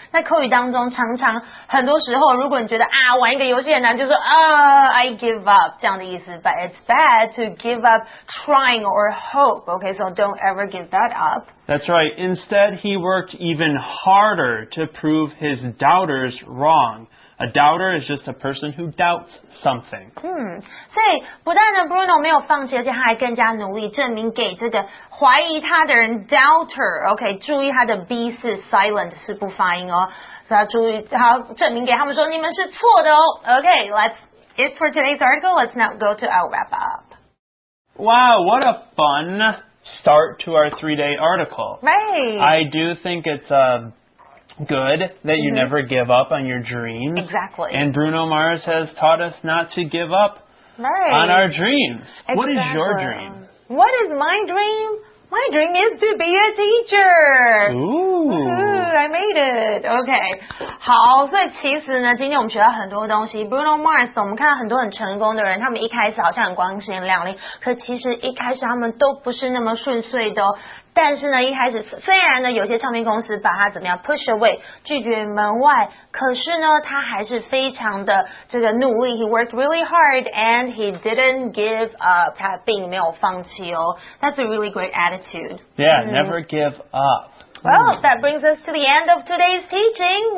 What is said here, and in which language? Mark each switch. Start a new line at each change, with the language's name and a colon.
Chinese: 那口语当中常常很多时候，如果你觉得啊玩一个游戏很难，就是啊
English: I give up
Chinese: 这样的意思。
English: But it's bad to give up trying or hope. OK, so don't ever give that up. That's right. Instead, he worked even harder to prove his doubters wrong. A doubter is just a person who doubts something.
Chinese: 所以不但呢 Bruno 没有放弃，而且他还更加努力证明给这个怀疑他的人 doubter. OK, 注意他的 B 是 silent, 是不发音哦。所以他注意，他证明给他们说你们是错的哦。
English: OK, it's for today's article. Let's now go to our wrap up. Wow, what a fun start to our 3-day article. Right. I do think it's a... good that you never give up on your dreams. Exactly. And Bruno Mars has taught us not to give up on our dreams. Exactly. What is your dream? What is my dream? My dream is to be a teacher. Ooh. I made it. Okay.
Chinese: 好，所以其实呢，今天我们学到很多东西。Bruno Mars, 我们看到很多很成功的人，他们一开始好像很光鲜亮丽，可其实一开始他们都不是那么顺遂的哦。但是呢，一开始虽然呢，有些唱片公司把他怎么样 push away, 拒绝门外，可是呢，他还是非常的这个努力。
English: He worked really hard and he didn't give up.
Chinese: 他并没有放弃哦。
English: That's a really great attitude. Yeah,never give up. Well, that brings us to the end of today's teaching.